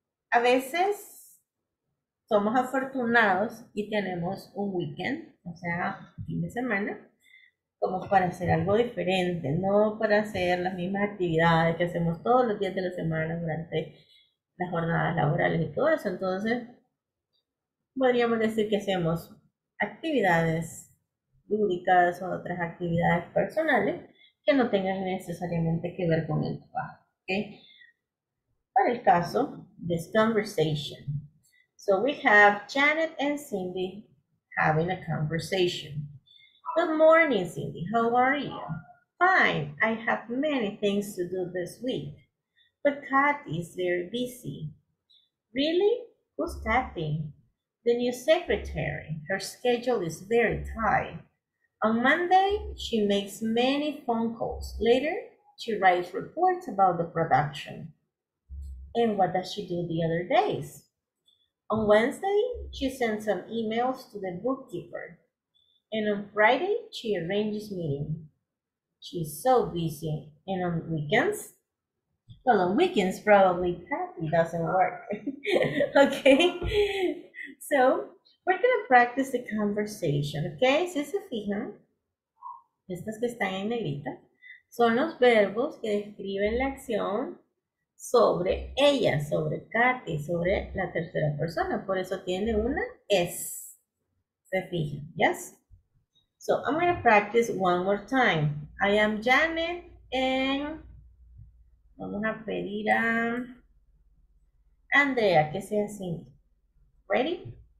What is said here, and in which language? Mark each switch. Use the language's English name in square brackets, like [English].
[Spanish] A veces somos afortunados y tenemos un weekend, o sea, fin de semana, como para hacer algo diferente, no para hacer las mismas actividades que hacemos todos los días de la semana durante las jornadas laborales y todo eso. Entonces, podríamos decir que hacemos actividades lúdicas o otras actividades personales que no tengan necesariamente que ver con el trabajo, ¿ok? Para el caso, [English] this conversation. So we have Janet and Cindy having a conversation. Good morning, Cindy. How are you? Fine. I have many things to do this week. But Kathy is very busy. Really? Who's Kathy? The new secretary. Her schedule is very tight. On Monday, she makes many phone calls. Later, she writes reports about the production. And what does she do the other days? On Wednesday, she sends some emails to the bookkeeper. And on Friday, she arranges meetings. She's so busy. And on weekends? Well, on weekends, probably Kathy doesn't work. Okay? So, we're going to practice the conversation, okay? [Spanish] Si se fijan, estas que están en negrita, son los verbos que describen la acción sobre ella, sobre Kathy, sobre la tercera persona. Por eso tiene una S. ¿Se fijan? ¿Yes? [English] So, I'm going to practice one more time. I am Janet and [Spanish] vamos a pedir a Andrea que sea así. ¿Ready?